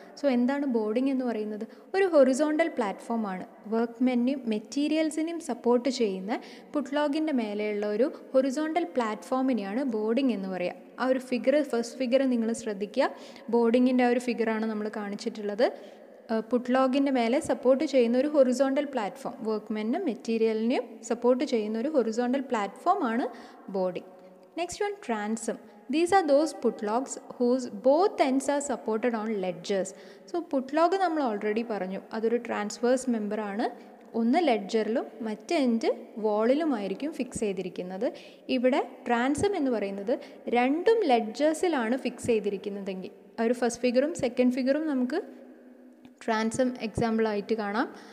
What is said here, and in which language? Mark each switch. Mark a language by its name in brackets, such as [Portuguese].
[Malayalam] So എന്താണ് boarding എന്ന് പറയുന്നത്? ഒരു ഹൊറിസോണ്ടൽ പ്ലാറ്റ്ഫോമാണ്, വർക്ക്മെനും മെറ്റീരിയൽസിനും സപ്പോർട്ട് ചെയ്യുന്ന പുട്ട്ലോഗിൻ്റെ മേലെയുള്ള ഒരു ഹൊറിസോണ്ടൽ പ്ലാറ്റ്ഫോമിനെയാണ് ബോർഡിംഗ് എന്ന് പറയുക. ആ ഒരു ഫിഗർ, ഫസ്റ്റ് ഫിഗർ നിങ്ങൾ ശ്രദ്ധിക്കുക, ബോർഡിങ്ങിൻ്റെ ആ ഒരു ഫിഗറാണ് നമ്മൾ കാണിച്ചിട്ടുള്ളത്. പുട്ട്ലോഗിൻ്റെ മേലെ സപ്പോർട്ട് ചെയ്യുന്ന ഒരു ഹൊറിസോണ്ടൽ പ്ലാറ്റ്ഫോം, വർക്ക്മെനും മെറ്റീരിയലിനെയും സപ്പോർട്ട് ചെയ്യുന്ന ഒരു ഹൊറിസോണ്ടൽ പ്ലാറ്റ്ഫോമാണ് boarding. [English] Next one transom. These are those putlogs whose both ends are supported on ledgers. [Malayalam] So putlog നമ്മൾ ഓൾറെഡി പറഞ്ഞു, അതൊരു ട്രാൻസ്വേഴ്സ് മെമ്പർ ആണ്. ഒന്ന് ലെഡ്ജറിലും മറ്റേ എൻഡ് വാളിലുമായിരിക്കും ഫിക്സ് ചെയ്തിരിക്കുന്നത്. ഇവിടെ ട്രാൻസം എന്ന് പറയുന്നത് രണ്ടും ലെഡ്ജേഴ്സിലാണ് ഫിക്സ് ചെയ്തിരിക്കുന്നതെങ്കിൽ, ഒരു ഫസ്റ്റ് ഫിഗറും സെക്കൻഡ് ഫിഗറും നമുക്ക് ട്രാൻസം എക്സാമ്പിളായിട്ട് കാണാം.